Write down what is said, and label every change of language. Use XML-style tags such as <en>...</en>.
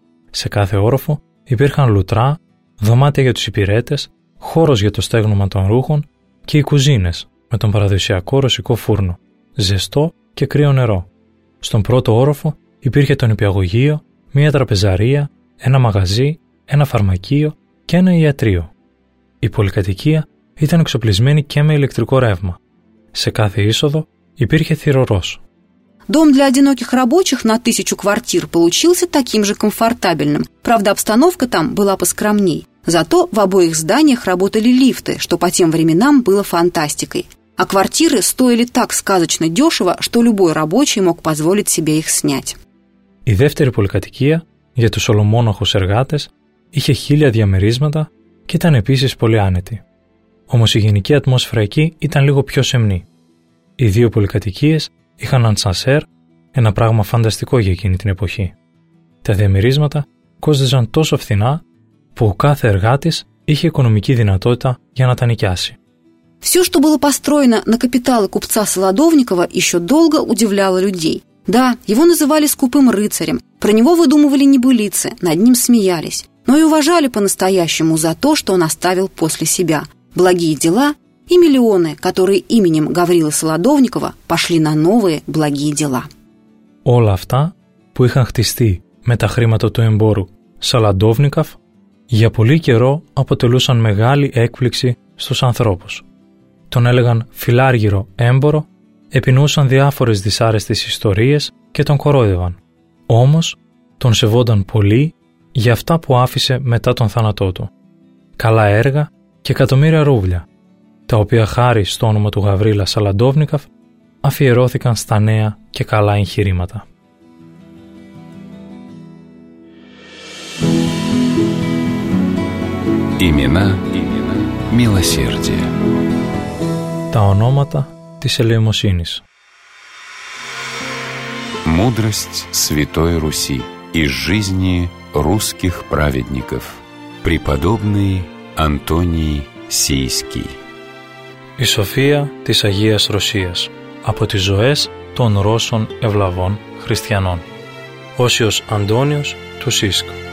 <el>Σε κάθε όροφο υπήρχαν λουτρά, δωμάτια για τους υπηρέτες, χώρος για το στέγνωμα των ρούχων και οι κουζίνες με τον παραδοσιακό ρωσικό φούρνο, ζεστό και κρύο νερό. Στον πρώτο όροφο υπήρχε το νηπιαγωγείο, μία τραπεζαρία, ένα μαγαζί, ένα φαρμακείο και ένα ιατρείο. Η πολυκατοικία ήταν εξοπλισμένη και με ηλεκτρικό ρεύμα. Σε κάθε είσοδο υπήρχε θυρωρός.</el> <ru>Дом для одиноких рабочих на 1000 квартир получился таким же комфортабельным. Правда, обстановка там была поскромней. Зато в обоих зданиях работали лифты, что по тем временам было фантастикой. А квартиры стоили так сказочно дешево, что любой рабочий мог позволить себе их снять.</ru> <el>Η δεύτερη πολυκατοικία για τους ολομόναχους εργάτες είχε 1000 διαμερίσματα και ήταν επίσης πολύ άνετη. Όμως η γενική ατμόσφαιρα εκεί ήταν λίγο πιο σεμνή. Οι δύο πολυκατοικίες είχαν ανσανσέρ, ένα πράγμα φανταστικό για εκείνη την εποχή. Τα διαμερίσματα κόστιζαν τόσο φθηνά που ο κάθε εργάτης είχε οικονομική δυνατότητα για να τα νοικιάσει.</el> <ru>Все, что было построено на капиталы купца Солодовникова, еще долго удивляло людей. Да, его называли скупым рыцарем, про него выдумывали небылицы, над ним смеялись, но и уважали по-настоящему за то, что он оставил после себя. Благие дела и миллионы, которые именем Гаврилы Солодовникова пошли на новые благие дела.</ru> <el>Όλα αυτά που είχαν χτιστεί με τα χρήματα του εμπόρου Солодовников για πολύ καιρό αποτελούσαν μεγάλη έκπληξη στους ανθρώπους. Τον έλεγαν φιλάργυρο έμπορο, επινοούσαν διάφορες δυσάρεστες ιστορίες και τον κορόιδευαν. Όμως, τον σεβόνταν πολύ για αυτά που άφησε μετά τον θάνατό του. καλά έργα και εκατομμύρια ρούβλια, τα οποία χάρη στο όνομα του Γαβρίλα Σαλαντόβνικαφ αφιερώθηκαν στα νέα και καλά εγχειρήματα.</el> <ru>Имена, имена, милосердие.</ru> <el>Τα ονόματα της ελεημοσύνης.</el> <ru>Мудрость Святой Руси из жизни русских праведников. Преподобный Антоний Сийский.</ru> <el>Η σοφία της Αγίας Ρωσίας από τις ζωές των Ρώσων ευλαβών χριστιανών. Όσιος Αντώνιος του Σίσκου.</el>